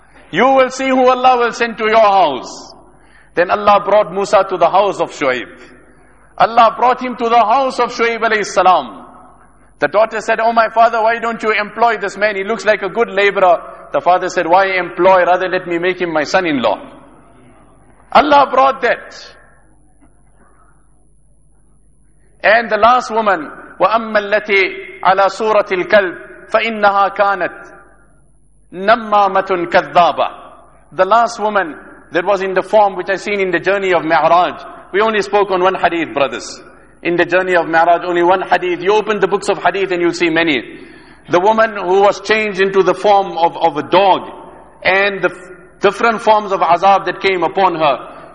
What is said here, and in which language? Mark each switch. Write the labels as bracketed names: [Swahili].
[English] You will see who Allah will send to your house. Then Allah brought Musa to the house of Shu'aib. Allah brought him to the house of Shu'aib alayhi salam. The daughter said, oh my father, why don't you employ this man? He looks like a good laborer. The father said, why employ? Rather let me make him my son-in-law. Allah brought that. And the last woman, [Arabic] وَأَمَّا الَّتِي عَلَى سُورَةِ الْكَلْبِ فَإِنَّهَا كَانَتْ نَمَّامَةٌ كَذَّابَ. [English] The last woman that was in the form which I seen in the journey of Mi'raj. We only spoke on one hadith, brothers. In the journey of Mi'raj, only one hadith. You open the books of hadith and you'll see many. The woman who was changed into the form of a dog, and the different forms of azab that came upon her.